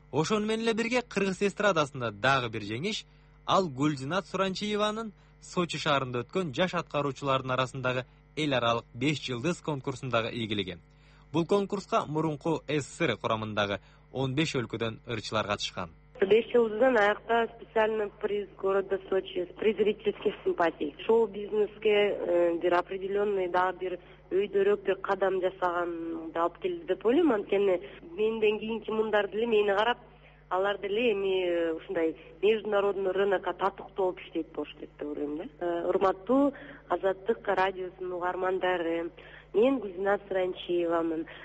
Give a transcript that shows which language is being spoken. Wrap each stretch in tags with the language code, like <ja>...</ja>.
<ky>Ошону менен эле бирге кыргыз эстрадасында дагы бир жеңиш, ал Гүлзинат Суранчиеванын Сочи шаарында өткөн жаш аткаруучулардын арасындагы эл аралык 5 жылдыз конкурсундагы ийгилиги. Бул конкурска мурунку СССР курамындагы 15 өлкөдөн ырчылар катышкан. 5 жылдыздан аякта</ky> <ru>специальный приз города Сочи, приз зрительских симпатий.</ru> <ky>Шоу бизнеске бир определенный дагы бир өйдөрөөк бир кадам жасаганды алып келди деп ойлойм. Анткени менден кийинки муундар деле мени карап алар деле эми ушундай</ky> <ru>международный рынок</ru> <ky>татыктуу болуп иштейт болуш керек деп ойлойм да. Урматтуу Азаттык радиосунун угармандары, мен Гүлзинат Сурайчиевамын.</ky>